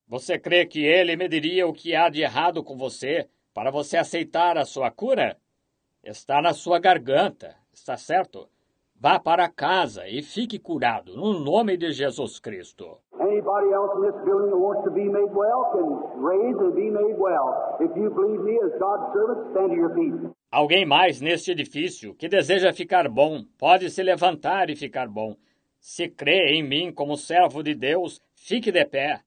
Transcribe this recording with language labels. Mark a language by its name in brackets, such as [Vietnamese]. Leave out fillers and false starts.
[Portuguese] Você crê que ele me diria o que há de errado com você para você aceitar a sua cura? Está na sua garganta, está certo? Vá para casa e fique curado, no nome de Jesus Cristo. [English] Anybody else in this building that wants to be made well can raise and be made well. If you believe me as God's servant, stand to your feet. [Portuguese] Alguém mais neste edifício que deseja ficar bom pode se levantar e ficar bom. Se crê em mim como servo de Deus, fique de pé.